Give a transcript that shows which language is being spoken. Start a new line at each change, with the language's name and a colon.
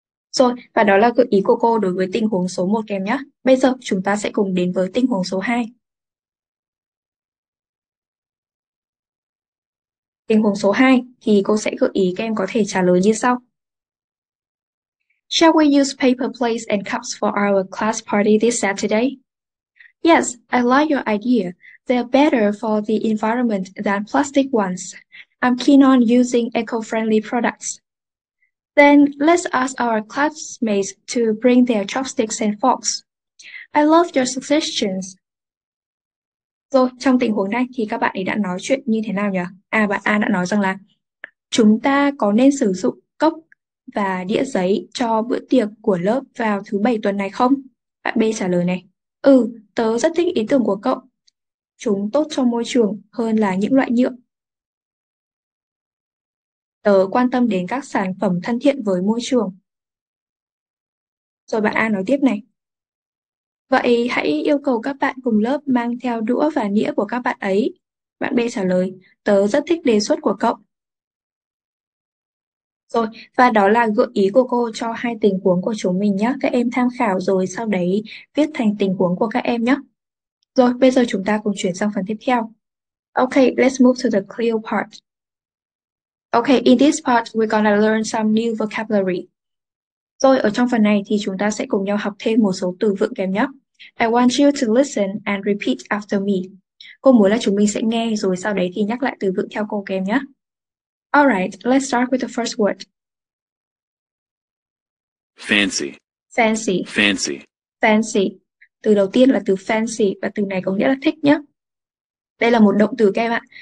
Vietnamese: Rồi, và đó là gợi ý của cô đối với tình huống số 1 kèm nhé. Bây giờ chúng ta sẽ cùng đến với tình huống số 2. Tình huống số 2 thì cô sẽ gợi ý các em có thể trả lời như sau.
English: Shall we use paper plates and cups for our class party this Saturday? Yes, I like your idea. They're better for the environment than plastic ones. I'm keen on using eco-friendly products. Then let's ask our classmates to bring their chopsticks and forks. I love your suggestions.
Vietnamese: Rồi, trong tình huống này thì các bạn ấy đã nói chuyện như thế nào nhỉ? À, bạn A đã nói rằng là chúng ta có nên sử dụng cốc và đĩa giấy cho bữa tiệc của lớp vào thứ bảy tuần này không? Bạn B trả lời này. Ừ, tớ rất thích ý tưởng của cậu. Chúng tốt cho môi trường hơn là những loại nhựa. Tớ quan tâm đến các sản phẩm thân thiện với môi trường. Rồi bạn A nói tiếp này. Vậy hãy yêu cầu các bạn cùng lớp mang theo đũa và nĩa của các bạn ấy. Bạn B trả lời, tớ rất thích đề xuất của cậu. Rồi, và đó là gợi ý của cô cho hai tình huống của chúng mình nhé. Các em tham khảo rồi sau đấy viết thành tình huống của các em nhé. Rồi, bây giờ chúng ta cùng chuyển sang phần tiếp theo.
English: Ok, let's move to the clear part. Ok, in this part, we're gonna learn some new vocabulary.
Vietnamese: Rồi, ở trong phần này thì chúng ta sẽ cùng nhau học thêm một số từ vựng kèm nhé.
English: I want you to listen and repeat after me.
Vietnamese: Cô muốn là chúng mình sẽ nghe rồi sau đấy thì nhắc lại từ vựng theo cô kèm nhé.
English: Alright, let's start with the first word. Fancy. Fancy. Fancy. Fancy.
Vietnamese: Từ đầu tiên là từ fancy và từ này có nghĩa là thích nhé. Đây là một động từ các em ạ.